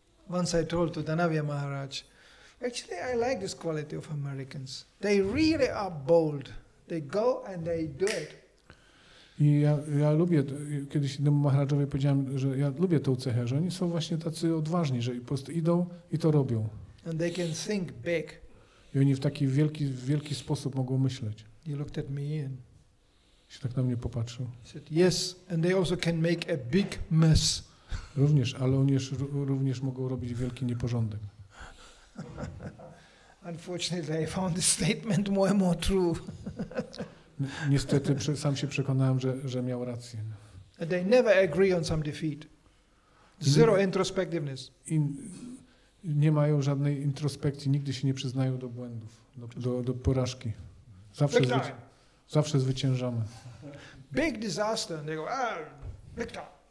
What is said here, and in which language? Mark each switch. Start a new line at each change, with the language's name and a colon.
English: Once I told to Danavya Maharaj, actually I like this quality of Americans. They really are bold. They go and they do it.
Polish: I ja lubię, kiedyś innemu Maharajowi powiedziałem, że ja lubię tą cechę, że oni są właśnie tacy odważni, że po prostu idą i to robią.
English: And they can think big.
Polish: I oni w taki wielki sposób mogą myśleć.
English: He looked at me and
Polish: się tak na mnie popatrzył.
English: He said, yes, and they also can make a big mess.
Polish: Również, ale oni również mogą robić wielki nieporządek.
English: Unfortunately, I found this statement more and more true.
Polish: Niestety, sam się przekonałem, że miał rację.
English: And they never agree on some defeat. Zero introspectiveness.
Polish: Nie mają żadnej introspekcji, nigdy się nie przyznają do błędów, do porażki. Zawsze zwyciężamy.
English: Big disaster, and they go, victor.